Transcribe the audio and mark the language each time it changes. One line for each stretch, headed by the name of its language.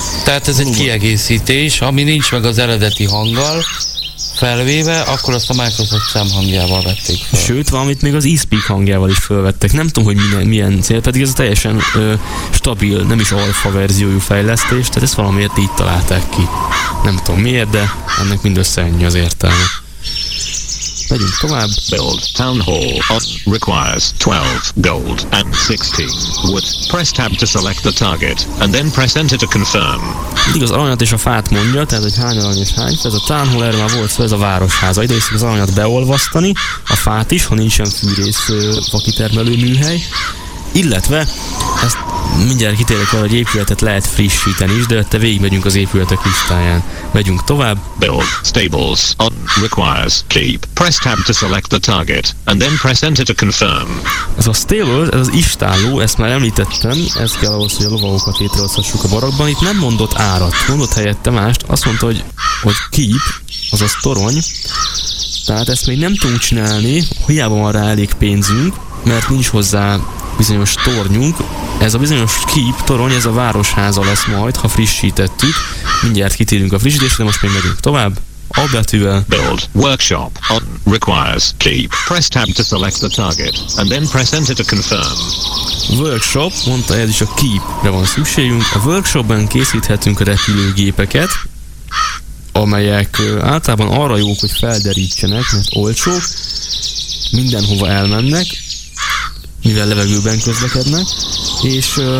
Hungarian: Tehát ez egy kiegészítés, ami nincs meg az eredeti hanggal, felvéve, akkor azt a Microsoft szem hangjával vették fel. Sőt, valamit még az eSpeak hangjával is felvettek. Nem tudom, hogy milyen cél, pedig ez a teljesen stabil, nem is alfa verziójú fejlesztés, tehát ezt valamiért így találták ki. Nem tudom miért, de ennek mindössze ennyi az értelme. Megyünk tovább.
English: Build town hall on requires 12 gold and 16 wood. Press tab to select the target and then press enter to confirm.
Hungarian: Mindig az aranyat és a fát mondja, tehát hogy hány arany és hány. Ez a town hall, erre már volt szó, ez a városháza. Ide is az aranyat beolvasztani, a fát is, ha nincsen fűrész fakitermelő műhely. Illetve ezt mindjárt kitérek arra, hogy épületet lehet frissíteni is, de te végigmegyünk az épületek listáján. Megyünk tovább.
English: Build stables on requires keep. Press tab to select the target and then press enter to confirm.
Hungarian: Ez a stables, ez az istálló, ezt már említettem, ez kell ahhoz, hogy a lovagokat létrehozhassuk a barakban. Itt nem mondott árat, mondott helyette mást, azt mondta, hogy keep, azaz torony. Tehát ezt még nem tudunk csinálni, hiába van rá elég pénzünk, mert nincs hozzá bizonyos tornyunk. Ez a bizonyos keep torony, ez a városháza lesz majd, ha frissítettük. Mindjárt kitérünk a frissítésre, de most még megyünk tovább. A betűvel.
English: Build workshop on requires keep. Press tab to select the target and then press enter to confirm.
Hungarian: Workshop, mondta, ez is a keepre van szükségünk. A workshopban készíthetünk a repülőgépeket, amelyek általában arra jók, hogy felderítsenek, mert olcsók, mindenhova elmennek, mivel levegőben közlekednek, és